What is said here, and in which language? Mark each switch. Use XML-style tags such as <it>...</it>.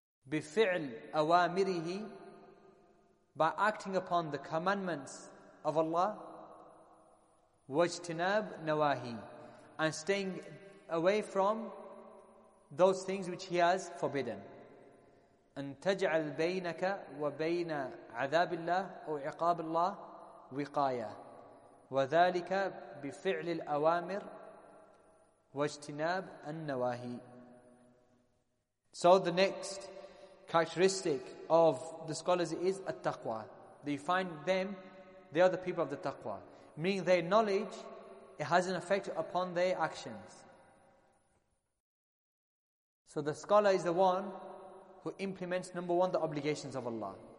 <ar>بفعل أوامره,</ar> <en>by acting upon the commandments of Allah,</en> <ar>واجتناب نواهي,</ar> <en>and staying away from those things which he has forbidden.</en> <ar>أن تجعل بينك وبين عذاب الله أو عقاب الله وقايا وذلك بفعل الأوامر واجتناب النواهي.</ar> <en>So the next characteristic of the scholars is التقوى. They find them, they are the people of the taqwa, meaning their knowledge, it has an effect upon their actions. So the scholar is the one who implements, number one, the obligations of Allah.</en>